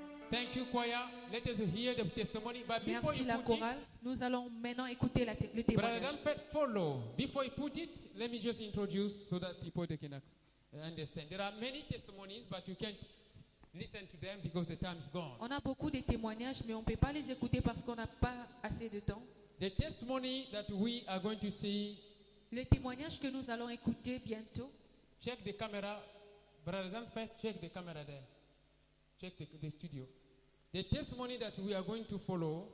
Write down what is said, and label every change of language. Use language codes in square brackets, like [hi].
[en] Thank you, choir. Let us hear the testimony. But before [fr] merci [en] you [fr] la [en] put [fr] chorale. [en] It, [fr] nous allons maintenant écouter la le témoignage. [en] Brother Danfet, follow. Before you put it, let me just introduce so that people can understand. There are many testimonies, but you can't listen to them because the time is gone. [fr] On a beaucoup de témoignages, mais on peut pas les écouter parce qu'on n'a pas assez de temps. [en] The testimony that we are going to see. [fr] Le témoignage que nous allons écouter bientôt. [en] Check the camera, Brother Danfet. Check the camera there. Check the studio. The testimony that we are going to follow.